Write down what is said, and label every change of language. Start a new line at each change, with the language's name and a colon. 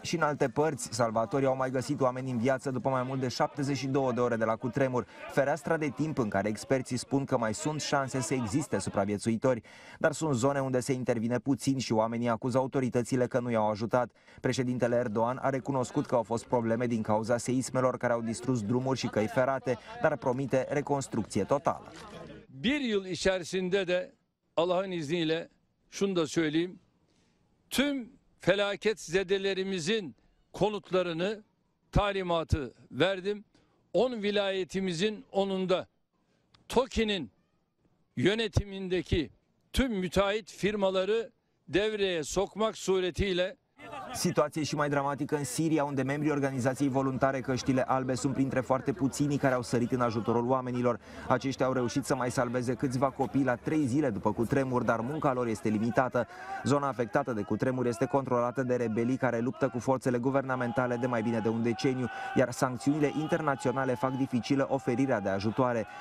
Romanian: Și în alte părți, salvatorii au mai găsit oameni în viață după mai mult de 72 de ore de la cutremur, fereastra de timp în care experții spun că mai sunt șanse să existe supraviețuitori. Dar sunt zone unde se intervine puțin și oamenii acuză autoritățile că nu i-au ajutat. Președintele Erdogan a recunoscut că au fost probleme din cauza seismelor care au distrus drumuri și căi ferate, dar promite reconstrucție totală.
Turkish: Bir yıl içerisinde de Allah'ın izniyle şunu da söyleyeyim. Tüm felaket zedelerimizin konutlarını talimatı verdim. 10 vilayetimizin 10'unda TOKİ'nin yönetimindeki tüm müteahhit firmaları devreye sokmak suretiyle
Romanian: Situație și mai dramatică în Siria, unde membrii organizației voluntare Căștile Albe sunt printre foarte puținii care au sărit în ajutorul oamenilor. Aceștia au reușit să mai salveze câțiva copii la 3 zile după cutremur, dar munca lor este limitată. Zona afectată de cutremur este controlată de rebelii care luptă cu forțele guvernamentale de mai bine de un deceniu, iar sancțiunile internaționale fac dificilă oferirea de ajutoare.